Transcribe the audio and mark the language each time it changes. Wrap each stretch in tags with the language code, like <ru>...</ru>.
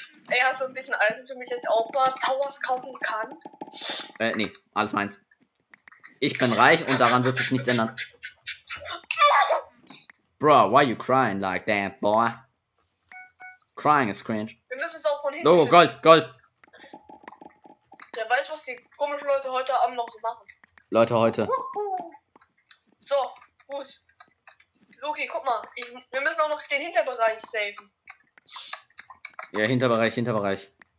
<de>Ey, hast du ein bisschen Eisen für mich jetzt auch mal Towers kaufen kann? Nee, alles meins. Ich bin reich und daran wird sich nichts ändern.</de> <en>Bro, why are you crying like that, boy? Crying is cringe.</en> <de>Wir müssen uns auch von hinten. Logo, Gold. Der weiß, was die komischen Leute heute Abend noch so machen. Leute heute. So, gut. Loki, guck mal. Wir müssen auch noch den Hinterbereich saven. Ja, Hinterbereich.</de>